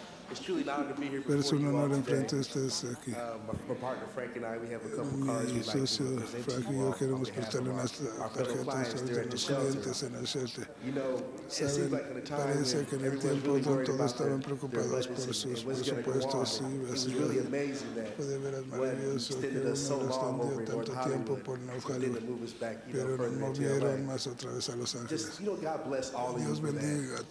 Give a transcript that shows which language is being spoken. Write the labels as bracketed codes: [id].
[en] It's truly loud to be here before you all today. My partner Frank and I, we have a couple cards we'd like to [es] Frank y yo queremos prestarle unas tarjetas a los clientes en el shelter. [en] You know, [es] ¿saben? [en] It seems like in a time when everyone's really worried about their [es] presupuestos y [en] what's going to go on, it's really amazing that what extended us so long over in North Hollywood and then to move us back, you know, further into LA. Just, you know, God bless all of you for that.